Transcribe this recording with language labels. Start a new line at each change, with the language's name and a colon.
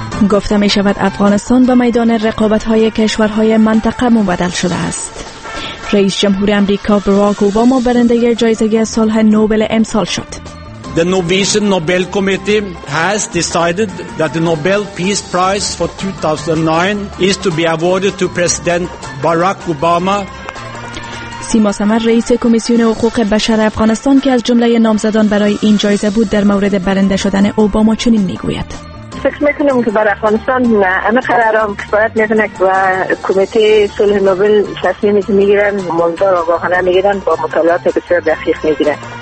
Persian: گفته می شود افغانستان به میدان رقابت های کشورهای منطقه مبدل شده است. رئیس جمهور آمریکا باراک اوباما برنده جایزه صلح نوبل امسال شد.
English: The Norwegian Nobel Committee has decided that the Nobel Peace Prize for 2009 is to be awarded to President Barack Obama.
Persian: سیما سمر رئیس کمیسیون حقوق بشر افغانستان که از جمله نامزدان برای این جایزه بود در مورد برنده شدن اوباما چنین می گوید. فکر میکنم که برای افغانستان همه قرارام کفایت میکنه و کمیته صلح نوبل تصمیمی که میگیرن منظور را واقعا میگیرن با مطالعات بسیار دقیق میگیرن.